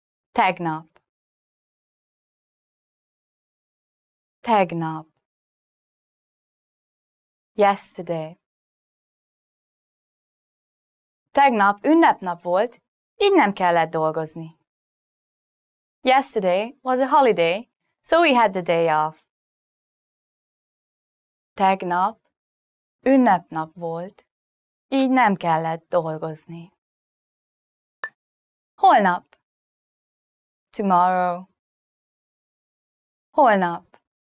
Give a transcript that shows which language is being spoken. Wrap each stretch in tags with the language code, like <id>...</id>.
<hu>Tegnap. Tegnap.</hu> <en>Yesterday.</en> <hu>Tegnap ünnepnap volt, így nem kellett dolgozni.</hu> <en>Yesterday was a holiday, so we had the day off.</en> <hu>Tegnap ünnepnap volt, így nem kellett dolgozni. Holnap.</hu> <en>Tomorrow.</en> <hu>Holnap.</hu>